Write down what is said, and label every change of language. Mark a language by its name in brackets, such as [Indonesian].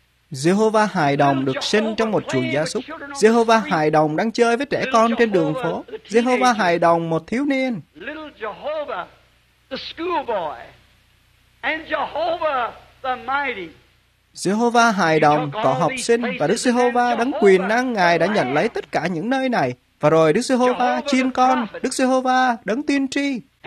[Vietnamese] Jehovah hài đồng được sinh trong một chuồng gia súc. Jehovah hài đồng đang chơi với trẻ con trên đường phố. Jehovah hài đồng một thiếu niên. [English] Jehovah the schoolboy. And Jehovah the mighty. [Vietnamese] Giê-hô-va hài đồng, có học sinh, và Đức Giê-hô-va đấng quyền năng, Ngài đã nhận lấy tất cả những nơi này. Và rồi Đức Giê-hô-va chiên con, Đức Giê-hô-va đấng tiên tri.